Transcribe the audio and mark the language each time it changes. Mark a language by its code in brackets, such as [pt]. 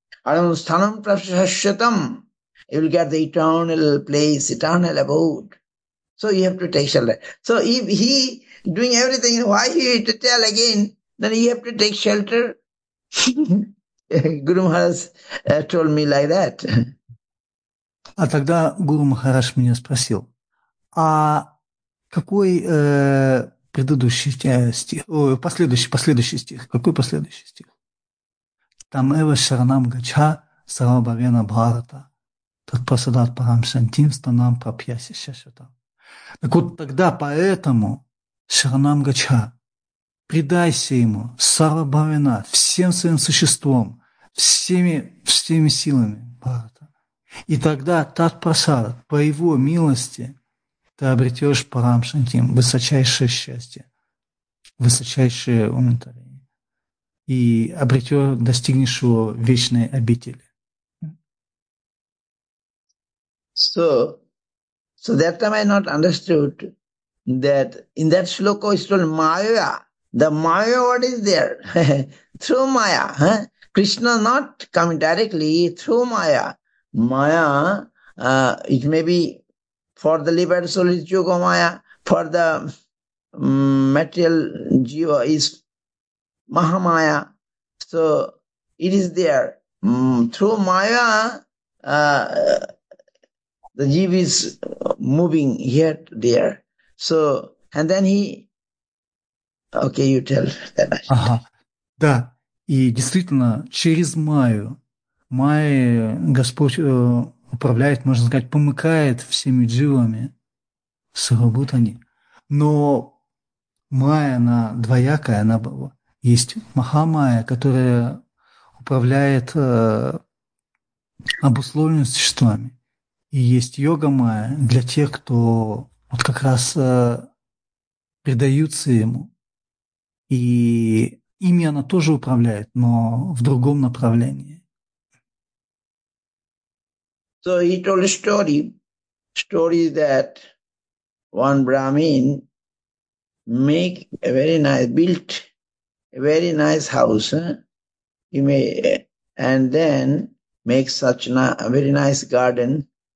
[sa] Aranasthanam Prashashyatam, [en] you will get the eternal place, eternal abode. So you have to take shelter. So if he doing everything, why he have to tell again, then you have to take shelter. Guru Maharaj told me like that. [ru] А тогда Гуру Махарадж меня спросил, а какой предыдущий стих, последующий стих, какой последующий стих? [sa] Там эва шаранам гача сарабавена бхарата, тат прасадат парам шантим станам прапьяси шашатам. [ru] Так вот тогда поэтому [sa] шаранам гача, [ru] предайся ему сарабавена всем своим существом, всеми силами бхарата. И тогда [sa] Тат Прасада, [ru] по его милости, ты обретешь парамшантим, высочайшее счастье, высочайшее умиротворение. И обретешь, достигнешь его вечной обители. [en] So, so that time I not understood that in that shloka is told Maya. The Maya, what is there? Through Maya. Huh? Krishna not coming directly through Maya. Maya, it may be for the liberated soul is Yoga Maya, for the material jiva is Mahamaya. So it is there. Through Maya, the jiva is moving here, there. So, and then he, okay, you tell that. [ru] Ага, да. И действительно, через Майю, Майя Господь управляет, можно сказать, помыкает всеми дживами, сарабутани. Но Майя, она двоякая, она была. Есть Махамайя, которая управляет обусловленными существами. И есть йога Майя для тех, кто вот как раз предаются ему. И ими она тоже управляет, но в другом направлении. [en] So he told a story. Story that one Brahmin make a very nice, built a very nice house. He may, and then make such a very nice garden.